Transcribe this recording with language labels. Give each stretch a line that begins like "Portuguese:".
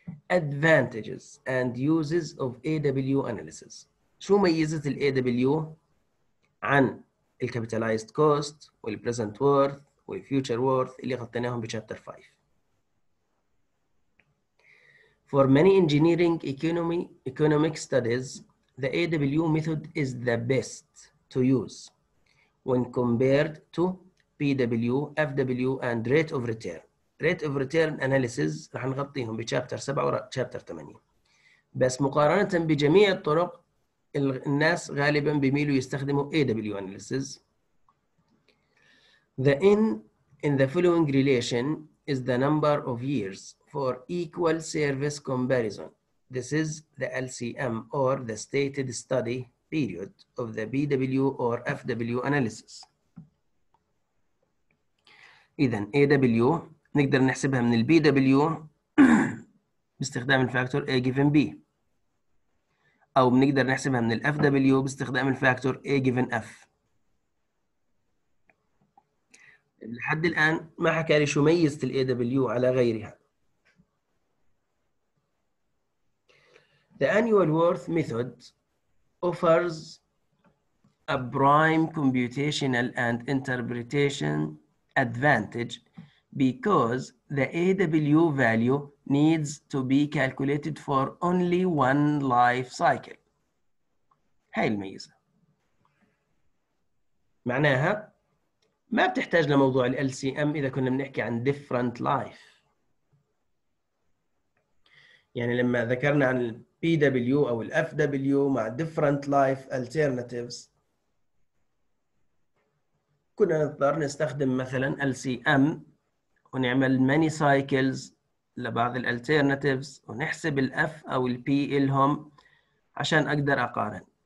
English: Advantages and uses of AW analysis.
Arabic: شو ميزت الـ AW عن الـ capitalized cost والـ present worth والـ future worth اللي غطيناهم بشابتر 5.
English: For many engineering economic studies, the AW method is the best to use when compared to PW, FW and rate of return.
Arabic: Rate of Return Analysis رح نغطيهم بشابتر 7 وشابتر 8. بس مقارنة بجميع الطرق الناس غالبا بيميلوا يستخدموا AW Analysis.
English: The in the following relation is the number of years for equal service comparison. This is the LCM or the stated study period of the BW or FW analysis.
Arabic: إذن AW نقدر نحسبها من البي دبليو باستخدام الفاكتور A given B، أو بنقدر نحسبها من الاف دبليو باستخدام الفاكتور A given F. لحد الآن ما حكى لي شو ميزت الـ AW على غيرها.
English: The annual worth method offers a prime computational and interpretation advantage because the AW value needs to be calculated for only one life cycle.
Arabic: هاي الميزة. معناها ما بتحتاج لموضوع الـ LCM إذا كنا بنحكي عن
English: different life.
Arabic: يعني لما ذكرنا عن الـ PW أو الـ FW مع
English: different life alternatives
Arabic: كنا نضطر نستخدم مثلا LCM ونعمل
English: many cycles
Arabic: لبعض الالترناتيفز ونحسب الاف او البي لهم عشان اقدر اقارن.